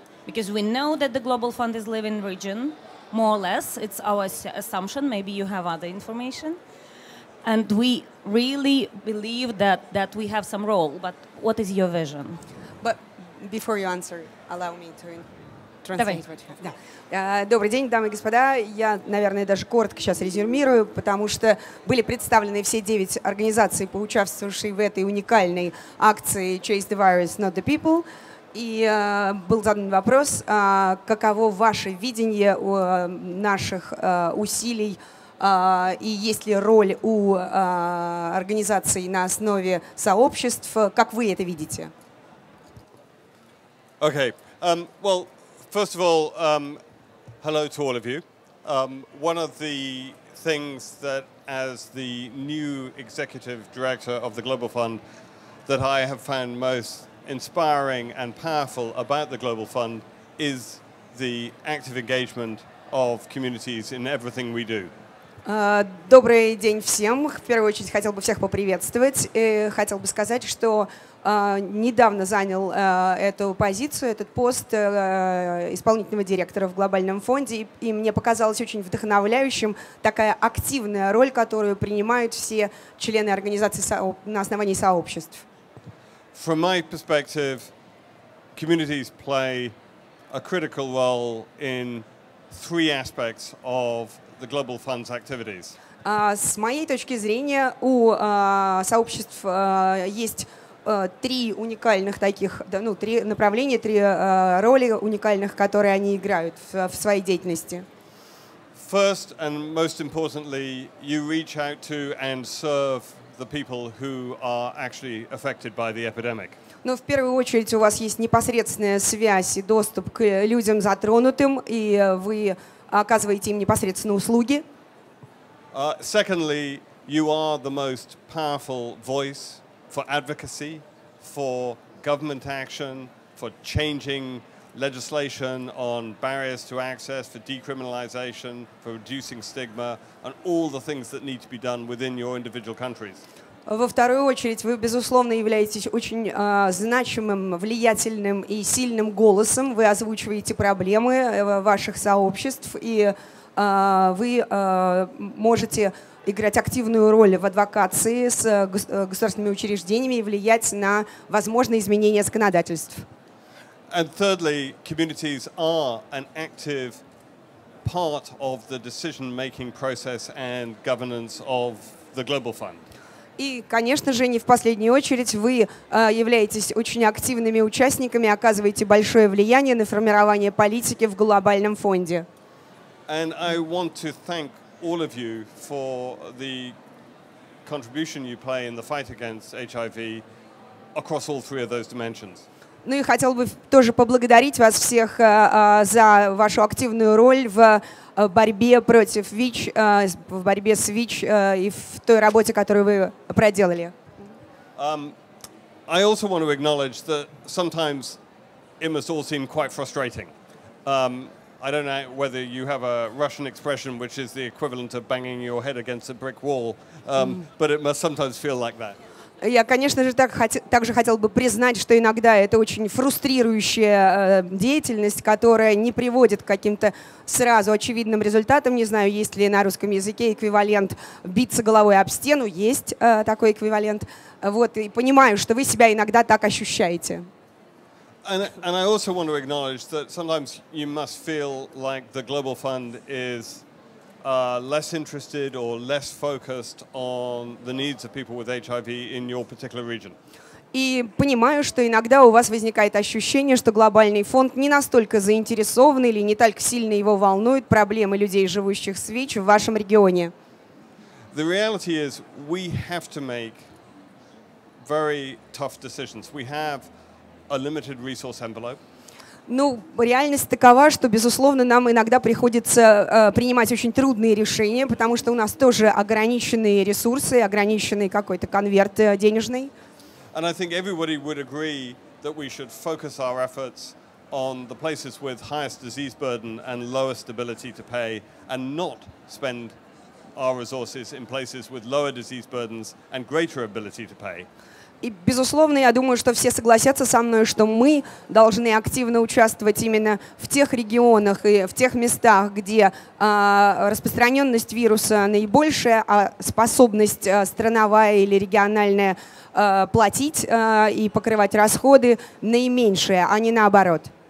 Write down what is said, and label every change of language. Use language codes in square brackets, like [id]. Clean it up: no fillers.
[en] Because we know that the Global Fund is living region, more or less. It's our assumption. Maybe you have other information. And we really believe that, that we have some role. But what is your vision? But before you answer, allow me to translate. [ru] Добрый день, дамы и господа. Я, наверное, даже коротко сейчас резюмирую, потому что были представлены все 9 организаций, поучаствовавшие в этой уникальной акции Chase the Virus, Not the People. И был задан вопрос, каково ваше видение наших усилий и есть ли роль у организаций на основе сообществ? Как вы это видите? [en] Okay. Well, first of all, hello to all of you. One of the things that, as the new executive director of the Global Fund, that I have found most inspiring and powerful about the Global Fund is the active engagement of communities in everything we do. [ru] Добрый день всем. В первую очередь хотел бы всех поприветствовать. И хотел бы сказать, что недавно занял эту позицию, этот пост исполнительного директора в Глобальном фонде, и мне показалось очень вдохновляющим такая активная роль, которую принимают все члены организации на основании сообществ. [en] From my perspective, communities play a critical role in 3 aspects of the Global Fund's activities. [ru] С моей точки зрения, у сообществ есть три уникальных таких, ну, три направления, три роли уникальных, которые они играют в своей деятельности. [en] First and most importantly, you reach out to and serve the people who are actually affected by the epidemic. [ru] Ну, в первую очередь, у вас есть непосредственная связь и доступ к людям затронутым, и вы оказываете им непосредственно услуги. [en] Secondly, you are the most powerful voice for advocacy, for government action, for changing legislation on barriers to access, for decriminalization, for reducing stigma, and all the things that need to be done within your individual countries. [ru] Во вторую очередь, вы, безусловно, являетесь очень значимым, влиятельным и сильным голосом. Вы озвучиваете проблемы ваших сообществ, и вы можете играть активную роль в адвокации с государственными учреждениями и влиять на возможные изменения законодательств. [en] And thirdly, communities are an active part of the decision-making process and governance of the Global Fund. [ru] И, конечно же, не в последнюю очередь, вы являетесь очень активными участниками, оказываете большое влияние на формирование политики в глобальном фонде. [en] And I want to thank all of you for the contribution you play in the fight against HIV across all 3 of those dimensions. [ru] Ну и хотел бы тоже поблагодарить вас всех за вашу активную роль в борьбе против ВИЧ, в борьбе с ВИЧ и в той работе, которую вы проделали. [en] I also want to acknowledge that sometimes it must all seem quite frustrating. I don't know whether you have a Russian expression which is the equivalent of banging your head against a brick wall, but it must sometimes feel like that. [ru] Я, конечно же, также хотел бы признать, что иногда это очень фрустрирующая деятельность, которая не приводит к каким-то сразу очевидным результатам. Не знаю, есть ли на русском языке эквивалент биться головой об стену. Есть такой эквивалент. Вот, и понимаю, что вы себя иногда так ощущаете. [en] And I also want to acknowledge that sometimes you must feel like the Global Fund is less interested or less focused on the needs of people with HIV in your particular region. [ru] И понимаю, что иногда у вас возникает ощущение, что глобальный фонд не настолько заинтересован или не так сильно его волнует проблемы людей, живущих с ВИЧ в вашем регионе. [en] The reality is we have to make very tough decisions. We have a limited resource envelope. [ru] Ну, реальность такова, что, безусловно, нам иногда приходится принимать очень трудные решения, потому что у нас тоже ограниченные ресурсы, ограниченный какой-то конверт денежный. [en] And I think everybody would agree that we should focus our efforts on the places with highest disease burden and lowest ability to pay, and not spend our resources in places with lower disease burdens and greater ability to pay. [ru] И, безусловно, я думаю, что все согласятся со мной, что мы должны активно участвовать именно в тех регионах и в тех местах, где распространенность вируса наибольшая, а способность страновая или региональная платить и покрывать расходы наименьшая, а не наоборот.